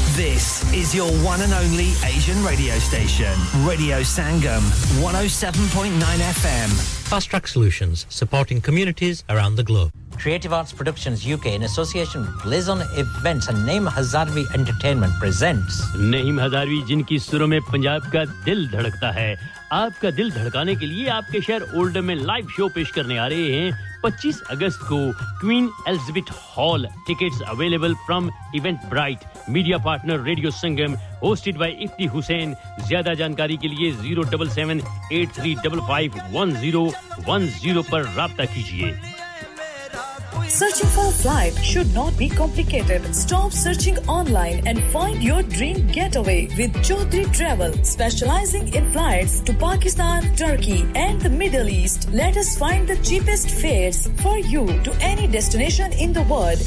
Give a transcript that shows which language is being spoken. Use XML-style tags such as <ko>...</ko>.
<en>This is your one and only Asian radio station. Radio Sangam, 107.9 FM. Fast Track Solutions, supporting communities around the globe. Creative Arts Productions UK in association with Blizzon Events and Naeem Hazarvi Entertainment presents...</en> <hi>Naeem Hazarvi, jinki suron mein Punjab ka dil dhadakta hai... आपका दिल धड़काने के लिए आपके शहर Oldham में live show पेश करने आ रहे हैं 25 अगस्त को queen Elizabeth hall</hi> <en>tickets available from Eventbrite</en> <hi>media partner radio Sangam</hi> <en>hosted by</en> <hi>Ifti Hussain ज्यादा जानकारी के लिए 077-8355-1010 पर رابطہ कीजिए</hi> <en>Searching for a flight should not be complicated. Stop searching online and find your dream getaway with Jyoti Travel, specializing in flights to Pakistan, Turkey, and the Middle East. Let us find the cheapest fares for you to any destination in the world.</en>